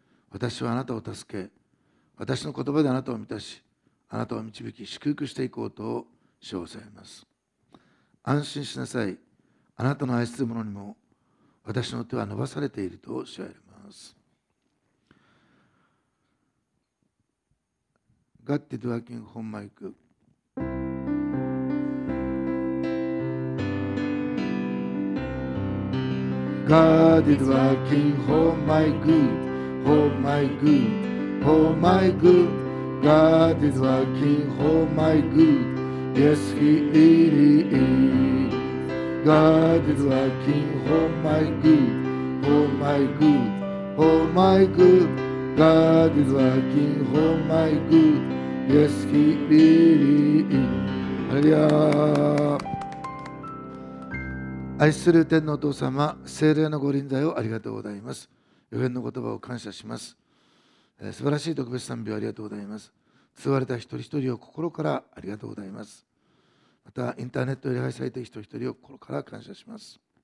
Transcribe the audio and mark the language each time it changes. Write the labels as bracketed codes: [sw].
[ja] 私はあなたを助け、私の言葉であなたを満たし、あなたを導き祝福していこうと主を仰います。安心しなさい。あなたの愛する者にも私の手は伸ばされていると主は言います。 [en] God is working on my good。 God is working for my good, for my good, for my good. God is working for my good, yes He is. God is working for my good, for my good, for my good. God is working for my good, yes He is. Hallelujah. [ja] 愛する天のお父様、聖霊のご臨在をありがとうございます。予言の言葉を感謝します。素晴らしい特別賛美をありがとうございます。救われた一人一人を心からありがとうございます。またインターネットで礼拝されている一人一人を心から感謝します。